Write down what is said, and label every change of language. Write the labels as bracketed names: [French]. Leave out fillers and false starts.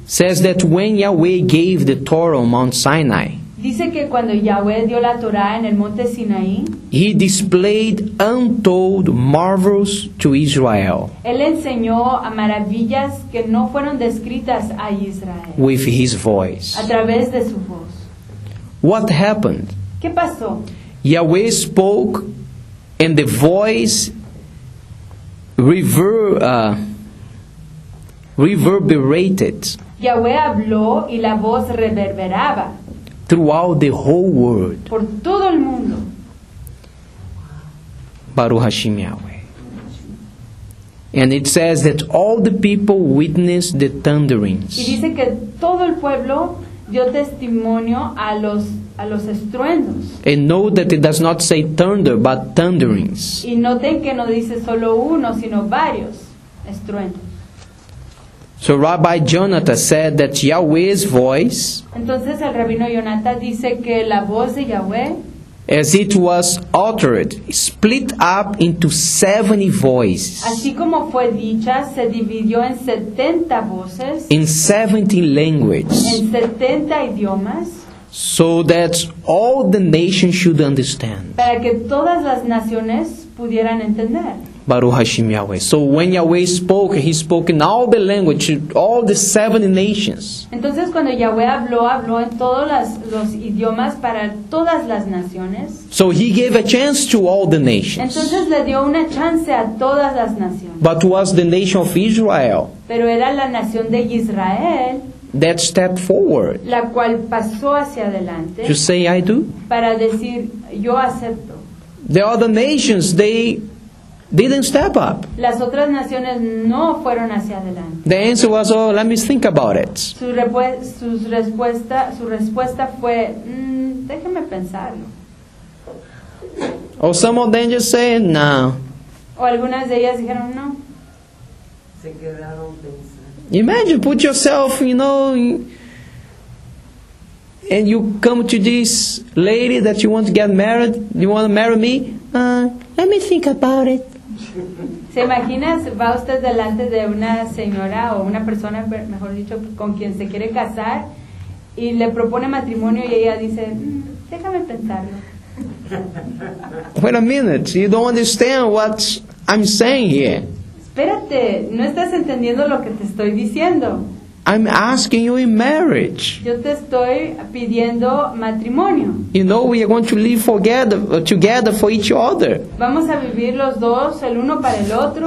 [English] Says that when Yahweh gave the Torah on Mount Sinai. [Spanish] Dice que cuando Yahweh dio la Torah en el Monte Sinaí. [English] He displayed untold marvels to Israel. [Spanish] Él enseñó a maravillas que no fueron descritas a Israel. [English] With his voice. [Spanish] A través de su voz. [English] What happened? [Spanish] ¿Qué pasó? [English] Yahweh spoke and the voice reverberated. [Spanish] Yahweh habló y la voz reverberaba. [English] Throughout the whole world. [Spanish] Por todo el mundo. [Hebrew] Baruch Hashem Yahweh. [English] And it says that all the people witnessed the thunderings. [Spanish] Y dice que todo el pueblo dio testimonio a los estruendos. [English] And note that it does not say thunder, but thunderings. [Spanish] Y noten que no dice solo uno, sino varios estruendos. [English] So Rabbi Jonathan said that Yahweh's voice, [Spanish] entonces el Rabino Jonathan dice que la voz de Yahweh, [English] as it was uttered, split up into 70 voices. [Spanish] Así como fue dicha, se dividió en 70 voces. [English] In 70 languages. [Spanish] En 70 idiomas. [English] So that all the nations should understand. [Spanish] Para que todas las naciones pudieran entender. [Hebrew] Baruch Hashem Yahweh. [English] So when Yahweh spoke, he spoke in all the language, all the seven nations. [Spanish] Entonces cuando Yahweh habló, habló en todos los idiomas para todas las naciones. [English] So he gave a chance to all the nations. [Spanish] Entonces le dio una chance a todas las naciones. [English] But was the nation of Israel. [Spanish] Pero era la nación de Israel. [English] That step forward. [Spanish] La cual pasó hacia adelante. [English] To say I do. [Spanish] Para decir yo acepto. [English] The other nations, they didn't step up. [Spanish] Las otras naciones no fueron hacia adelante. [English] The answer was, oh, let me think about it. [Spanish] Su respuesta fue, déjeme pensarlo. [English] Or some of them just said no. [Spanish] O algunas de ellas dijeron no. Se quedaron pensando. [English] Imagine, put yourself, you know, and you come to this lady that you want to get married, you want to marry me, let me think about it. [Spanish] ¿Se imagina, va usted delante de una señora o una persona, mejor dicho, con quien se quiere casar, y le propone matrimonio y ella dice, déjame pensarlo. [English] Wait a minute, you don't understand what I'm saying here. [Spanish] Espérate, no estás entendiendo lo que te estoy diciendo. [English] I'm asking you in marriage. [Spanish] Yo te estoy pidiendo matrimonio. [English] You know, we are going to live together for each other. [Spanish] Vamos a vivir los dos, el uno para el otro.